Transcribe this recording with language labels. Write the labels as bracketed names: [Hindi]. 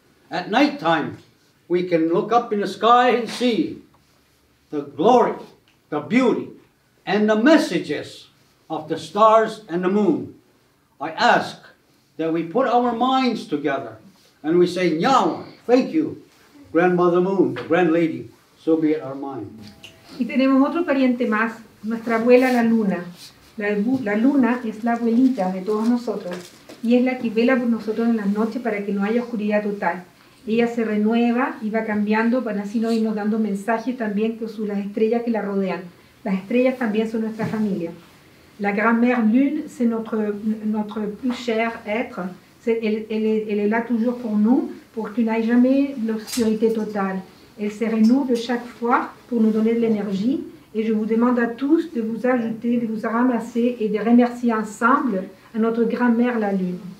[English] At nighttime, we can look up in the sky and see the glory, the beauty, and the messages of the stars and the moon. I ask that we put our minds together and we say, Nyawa, thank you, Grandmother Moon, the Grand Lady, so be it our mind. [Spanish] Y tenemos otro pariente más, nuestra abuela la luna. La luna es la abuelita de todos nosotros y es la que vela por nosotros en las noches para que no haya oscuridad total. Ella se renueva y va cambiando para así no irnos dando mensajes también con sus, las estrellas que la rodean. Las estrellas también son nuestra familia. [French] La grand-mère lune, c'est notre plus cher être. Elle est là toujours pour nous, pour qu'il n'aille jamais l'obscurité totale. Elle se renouvelle chaque fois pour nous donner de l'énergie. Et je vous demande à tous de vous ajouter, de vous ramasser et de remercier ensemble à notre grand-mère la lune.